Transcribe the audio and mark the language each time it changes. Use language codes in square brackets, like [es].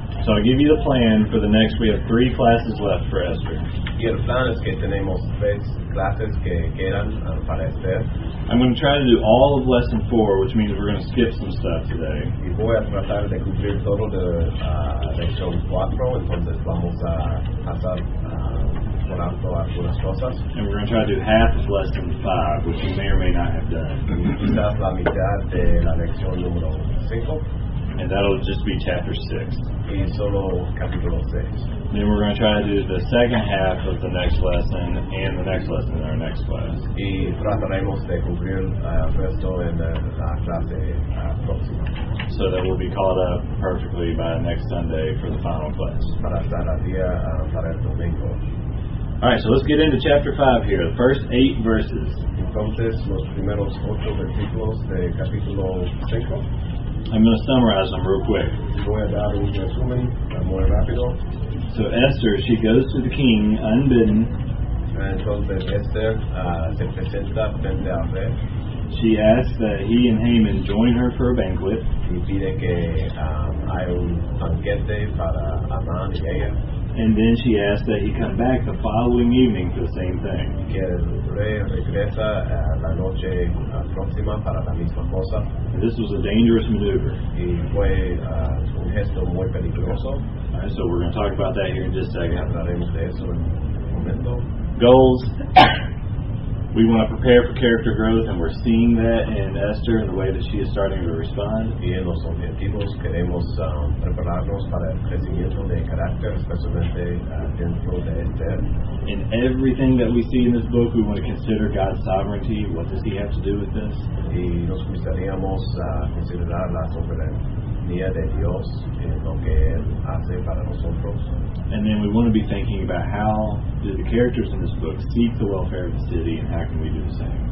[en] So I'll give you the plan for the next. We have three classes left for Esther. [es] Y el plan es que tenemos tres clases que quedan para Esther. [en] I'm going to try to do all of lesson four, which means we're going to skip some stuff today. [es] Y voy a tratar de cumplir todo de lección cuatro. Entonces vamos a pasar por alto algunas cosas. [en] And we're going to try to do half of lesson five, which you may or may not have done. [es] Y quizás la mitad de la lección número cinco. [en] And that'll just be chapter 6. [es] Y solo capítulo 6. [en] Then we're going to try to do the second half of the next lesson and the next lesson in our next class. [es] Y trataremos de cumplir el resto en la clase próxima. [en] So that we'll be caught up perfectly by next Sunday for the final class. [es] Para estar al día para el domingo. [en] Alright, so let's get into chapter 5 here. The first 8 verses. [es] Entonces, los primeros 8 versículos de capítulo 5. [en] I'm going to summarize them real quick. [es] Voy a dar un resumen, muy rápido. [en] So Esther, she goes to the king unbidden. [es] Entonces Esther, se presenta frente al rey. [en] She asks that he and Haman join her for a banquet. [es] Y pide que hay un banquete para Amán y ella. [en] And then she asks that he come back the following evening for the same thing. [es] Que el rey regresa la noche próxima para la misma cosa. [en] This was a dangerous maneuver. [es] Y fue un gesto muy peligroso. [en] All right, so we're going to talk about that here in just a second. [es] Hablaremos de eso en un momento. [en] Goals. We want to prepare for character growth, and we're seeing that in Esther and the way that she is starting to respond. [es] Y en los objetivos queremos prepararnos para el crecimiento de carácter, especialmente dentro de Esther. [en] In everything that we see in this book, we want to consider God's sovereignty. What does He have to do with this? [es] Y nos gustaríamos considerar la soberanía de Dios en lo que Él hace para nosotros. [en] And then we want to be thinking about how do the characters in this book seek the welfare of the city, and how can we do the same?